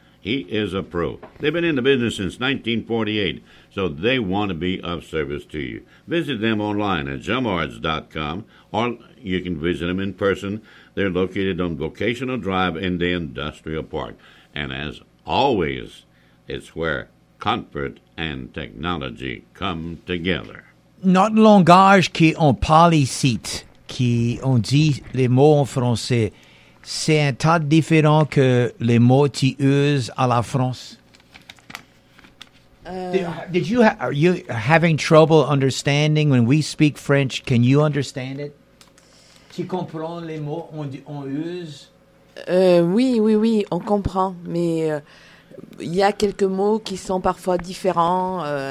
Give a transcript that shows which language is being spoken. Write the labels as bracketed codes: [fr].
[en] He is a pro. They've been in the business since 1948, so they want to be of service to you. Visit them online at gilmore.com, or you can visit them in person. They're located on Vocational Drive in the Industrial Park. And as always, it's where comfort and technology come together. [fr] Notre langage qui on parle ici, qui on dit les mots en français, c'est un tas différent que les mots qu'ils usent à la France. [en] Are you having trouble understanding when we speak French? Can you understand it? [fr] Tu comprends les mots on use? Oui, on comprend, mais il y a quelques mots qui sont parfois différents.